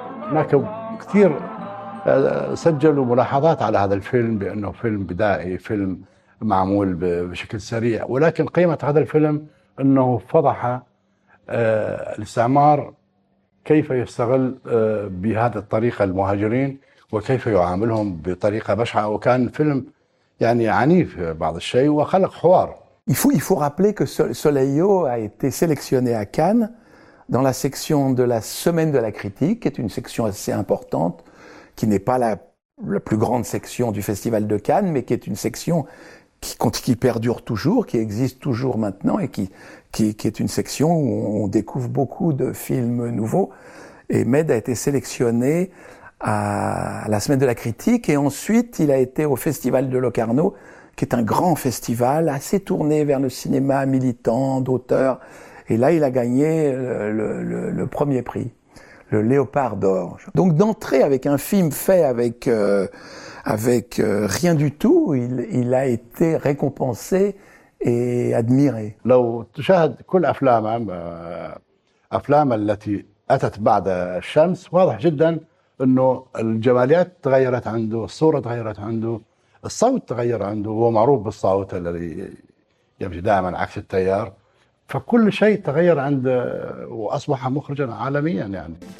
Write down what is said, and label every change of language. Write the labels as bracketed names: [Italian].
[Arabic] هناك كثير سجلوا ملاحظات على هذا الفيلم بأنه فيلم بدائي, فيلم معمول بشكل سريع, ولكن قيمة هذا الفيلم أنه فضح الاستعمار كيف يستغل بهذه الطريقة المهاجرين وكيف يعاملهم بطريقة بشعة, وكان فيلم يعني عنيف بعض الشيء وخلق حوار. [French] Il faut rappeler que Soleilio a été sélectionné à Cannes dans la section de la Semaine de la Critique, qui est une section assez importante, qui n'est pas la plus grande section du Festival de Cannes, mais qui est une section qui perdure toujours, qui existe toujours maintenant, et qui est une section où on découvre beaucoup de films nouveaux. Et Med a été sélectionné à la Semaine de la Critique, et ensuite il a été au Festival de Locarno, qui est un grand festival, assez tourné vers le cinéma militant, d'auteurs. Et là, il a gagné le premier prix, le Léopard d'or. Donc, d'entrer avec un film fait avec, avec rien du tout, il a été récompensé et admiré. [Arabic] لو تشاهد كل افلامه افلام التي اتت بعد الشمس واضح جدا انه الجماليات تغيرت عنده الصوره تغيرت عنده الصوت تغير عنده هو معروف بالصوت الذي يمشي دائما عكس التيار فكل شيء تغير عند واصبح مخرجا عالميا يعني